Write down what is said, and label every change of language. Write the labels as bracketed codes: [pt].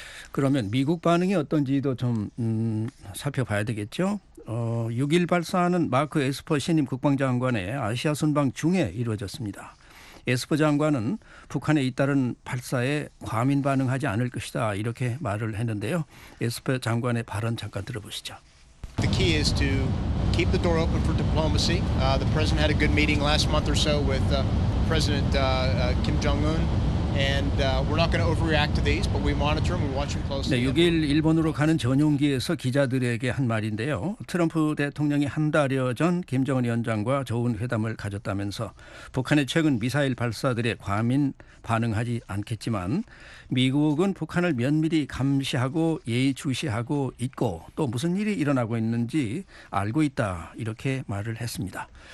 [ko] 그러면 미국 반응이 어떤지도 좀 살펴봐야 되겠죠. 6일 발사는 마크 에스퍼 신임 국방장관의 아시아 순방 중에 이루어졌습니다. 에스퍼 장관은 북한의 잇따른 발사에 과민 반응하지 않을 것이다 이렇게 말을 했는데요. 에스퍼 장관의 발언 잠깐 들어보시죠. [en] The key is to keep the door open for diplomacy. The president had a good meeting last month or so with President Kim Jong-un. And we're not going to overreact to these, but we monitor them. We watch them closely. [ko] 네, 6일 일본으로 가는 전용기에서 기자들에게 한 말인데요. 트럼프 대통령이 한 달여 전 김정은 위원장과 좋은 회담을 가졌다면서 북한의 최근 미사일 발사들에 과민 반응하지 않겠지만 미국은 북한을 면밀히 감시하고 예의주시하고 있고 또 무슨 일이 일어나고 있는지 알고 있다 이렇게 말을 했습니다.